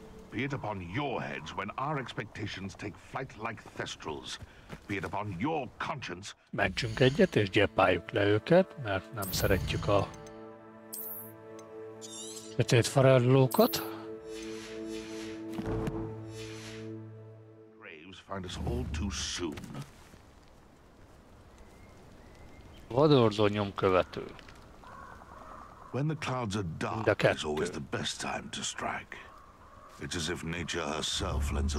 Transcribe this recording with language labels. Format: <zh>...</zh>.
<en>Be it upon your heads when our expectations take flight like thestrals. Be it upon your conscience.</en> <hu>Mentsünk egyet és gyepáljuk le őket, mert nem szeretjük a sötét farellókat.</hu> <en>Graves find us all too soon.</en> <hu>Vadorzó nyomkövető.</hu> <en>When the clouds are dark, it's always the best time to strike. It's as if nature herself lends a...</en>